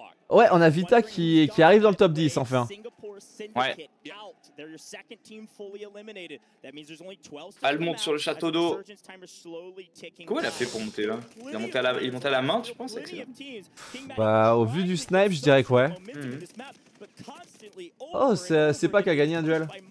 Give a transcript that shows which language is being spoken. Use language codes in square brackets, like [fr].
[fr] Ouais, on a Vita qui arrive dans le top 10 enfin. Ouais. [en] They're your second team fully eliminated. That means there's only 12. [fr] Elle monte sur le château d'eau. Comment elle a fait pour monter là? Il montait à la main, je pense. Bah, au vu du snipe, je dirais que ouais. Mm-hmm. Oh, c'est pas qu'à gagner un duel.